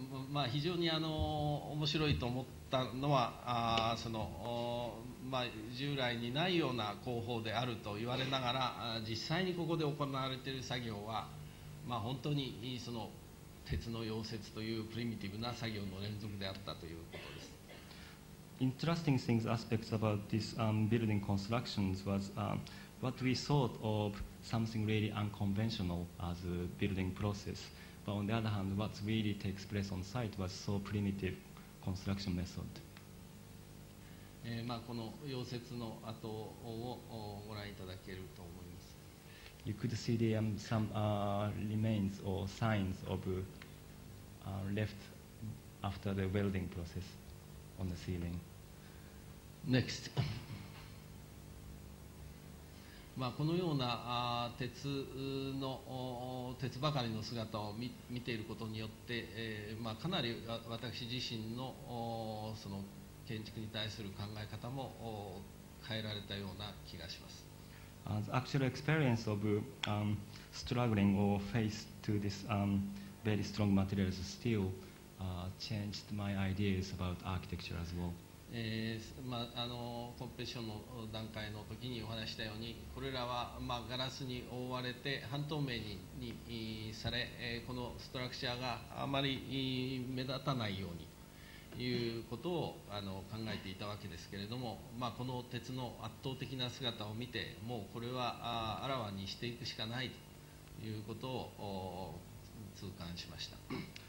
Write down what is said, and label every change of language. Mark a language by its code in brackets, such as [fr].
[ja] まあ非常にあの面白いと思ったのはそのまあ従来にないような工法であると言われながら実際にここで行われている作業はまあ本当にその鉄の溶接というプリミティブな作業の連続であったということです。 [en] Interesting things, aspects about this building constructions was what we thought of something really unconventional as a building process. But on the other hand, what really takes place on site was so primitive construction method. [ja] まあこの溶接の跡をご覧いただけると思います。 [en] You could see the remains or signs of left after the welding process on the ceiling. Next. [ja] まあこのような鉄の鉄ばかりの姿を見ていることによって、まあかなり私自身のその建築に対する考え方も変えられたような気がします。 [en] The actual experience of struggling or face to this very strong materials, steel, changed my ideas about architecture as well. [ja] まあ、コンペティションの段階の時にお話したように、これらは、まあ、ガラスに覆われて半透明にされ、このストラクチャーがあまり目立たないようにいうことを考えていたわけですけれども、まあ、この鉄の圧倒的な姿を見てもうこれはあらわにしていくしかないということを痛感しました。